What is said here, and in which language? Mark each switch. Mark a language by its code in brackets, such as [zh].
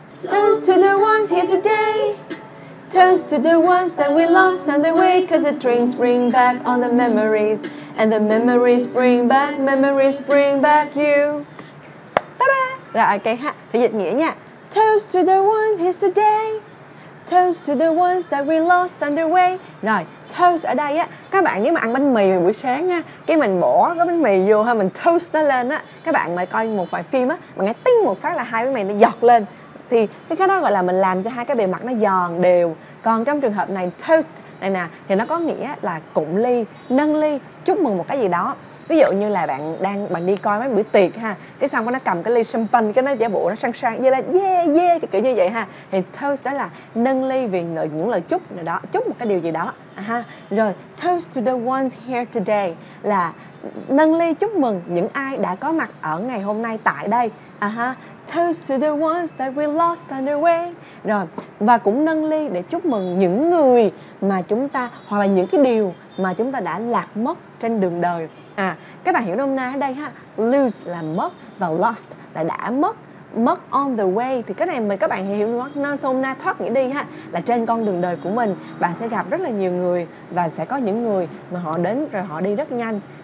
[en] Toast to the ones here today. Toast to the ones that we lost on the way. Cause the drinks bring back all the memories. And the memories bring back you. [vi] Ta-da! Rồi, ok ha. Thì dịch nghĩa nha. [en] Toast to the ones here today. Toast to the ones that we lost on the way. [vi] Rồi, toast ở đây á, các bạn nếu mà ăn bánh mì buổi sáng á, cái mình bỏ cái bánh mì vô ha, mình toast nó lên á, các bạn mà coi một vài phim á, mà nghe tiếng một phát là hai bánh mì nó giọt lên, thì cái đó gọi là mình làm cho hai cái bề mặt nó giòn đều. Còn trong trường hợp này, toast này nè, thì nó có nghĩa là cụng ly, nâng ly, chúc mừng một cái gì đó. Ví dụ như là bạn đi coi mấy bữa tiệc ha, cái xong nó cầm cái ly champagne, cái nó giả bộ nó sang sang với là yeah yeah kiểu như vậy ha, thì toast đó là nâng ly vì những lời chúc nào đó, chúc một cái điều gì đó ha. Rồi [en] toast to the ones here today [vi] là nâng ly chúc mừng những ai đã có mặt ở ngày hôm nay tại đây. [en] Toast to the ones that we lost on the way. [vi] Rồi, và cũng nâng ly để chúc mừng những người mà chúng ta, hoặc là những cái điều mà chúng ta đã lạc mất trên đường đời. À, các bạn hiểu nôm na ở đây ha, lose là mất và lost là đã mất. Mất [en] on the way [vi] thì cái này mình các bạn hiểu nôm na thoát nghĩa đi ha, là trên con đường đời của mình bạn sẽ gặp rất là nhiều người và sẽ có những người mà họ đến rồi họ đi rất nhanh.